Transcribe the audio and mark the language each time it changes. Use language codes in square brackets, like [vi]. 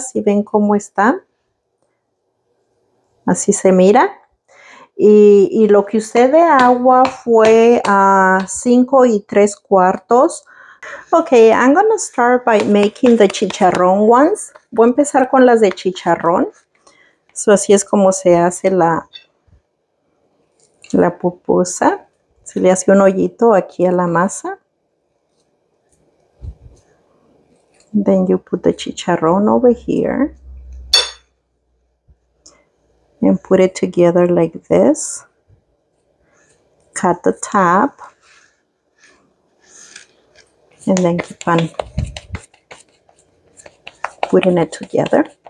[es] Si ven cómo está. Así se mira. Y lo que usé de agua fue 5 3/4. [en] Okay, I'm going to start by making the chicharrón ones. [es] Voy a empezar con las de chicharrón. So así es como se hace la pupusa. Se le hace un hoyito aquí a la masa. [en] Then you put the chicharrón over here and put it together like this. Cut the top and then keep on putting it together.